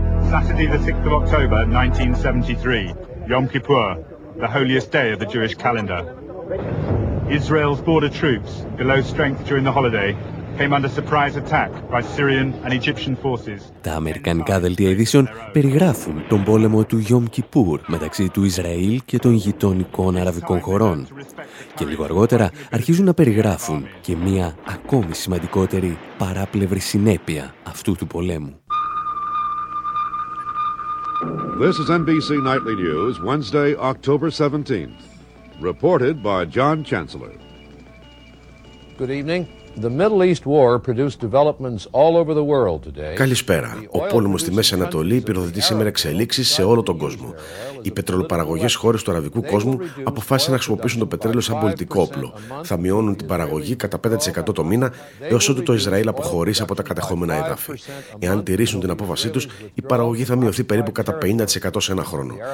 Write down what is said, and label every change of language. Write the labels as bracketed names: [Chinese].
[English] Saturday the 6th of October 1973, Yom Kippur, the holiest day of the Jewish calendar. Israel's border troops, below strength during the holiday, came under surprise attack by Syrian and Egyptian forces. [Greek] Τα αμερικανικά δελτία ειδήσεων περιγράφουν τον πόλεμο του Yom Kippur μεταξύ του Ισραήλ και των γειτονικών αραβικών χωρών. Και λίγο αργότερα αρχίζουν να περιγράφουν και μία ακόμη σημαντικότερη παράπλευρη συνέπεια αυτού του πολέμου. [English] This is NBC Nightly News, Wednesday, October 17th. Reported by John Chancellor. Good evening. The Middle East war produced developments all over the world today. [Greek] Καλησπέρα. Ο πόλεμος στη Μέση Ανατολή πυροδοτεί σήμερα εξελίξεις σε όλο τον κόσμο. Οι πετρελοπαραγωγές χώρες του αραβικού κόσμου αποφάσισαν να χρησιμοποιήσουν το πετρέλαιο σαν πολιτικό όπλο. Θα μειώνουν την παραγωγή κατά 5% το μήνα, έως ότου το Ισραήλ αποχωρήσει από τα κατεχόμενα έδαφη. Εάν τηρήσουν την απόφασή τους, η παραγωγή θα μειωθεί περίπου κατά 50% σε ένα χρόνο.